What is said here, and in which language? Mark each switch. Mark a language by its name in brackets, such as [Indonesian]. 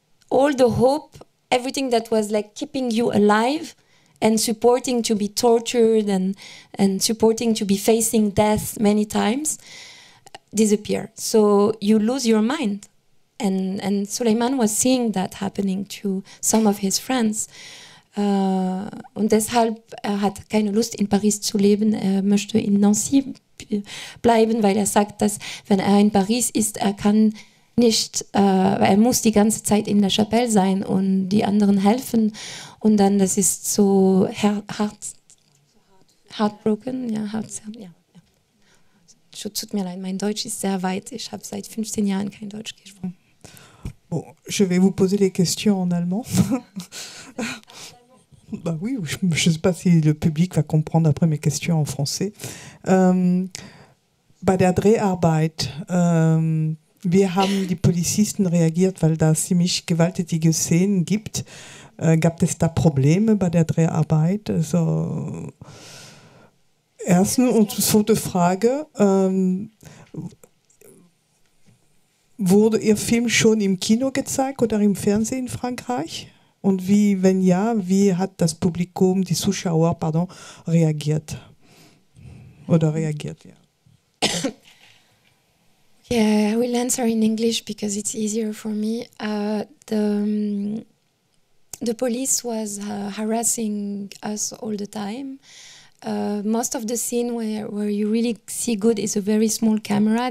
[English] All the hope, everything that was like keeping you alive, and supporting to be tortured and supporting to be facing death many times, disappear. So you lose your mind. And Suleiman was seeing that happening to some of his friends. [German] Und deshalb, er hat keine Lust, in Paris zu leben. Er möchte in Nancy bleiben, weil er sagt, dass wenn er in Paris ist, er kann nicht, er muss die ganze Zeit in La Chapelle sein und die anderen helfen. Und dann, das ist so heartbroken. Ja. Tut mir leid, mein Deutsch ist sehr weit. Ich habe seit 15 Jahren kein Deutsch gesprochen. [French] Bon, je vais vous poser les questions en allemand. Bah oui, je ne sais pas si le public va comprendre après mes questions en français. [German] Bei der Dreharbeit, wir haben die Polizisten reagiert, weil da ziemlich gewalttätige Szenen gibt. Gab es da Probleme bei der Dreharbeit? Also, erstens und zweite Frage, wurde Ihr Film schon im Kino gezeigt oder im Fernsehen in Frankreich? Und wie, wenn ja, wie hat das Publikum, die Zuschauer, pardon, reagiert? Oder reagiert, ja. [English] Yeah, I will answer in English because it's easier for me. The police was harassing us all the time. Most of the scene where you really see good is a very small camera.